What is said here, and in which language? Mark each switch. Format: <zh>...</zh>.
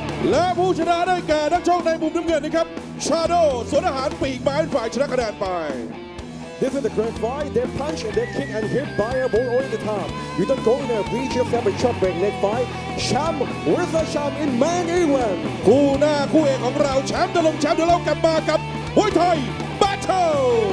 <th>และผู้ชนะได้แก่นักชกในมุมน้ำเงินนะครับ Shadow สวนอาหารปีกไม้ฝ่ายชนะคะแนนไป</th> <en>This is the great fight They punch, they kick and hit by a ball all the time You don't go in there We just have a chop break next fight Champ with the champ in main event</en> <th>คู่หน้าคู่เอกของเราแชมป์ดลงแชมป์เดี๋ยวเรากลับมากับมวยไทย Battle</th>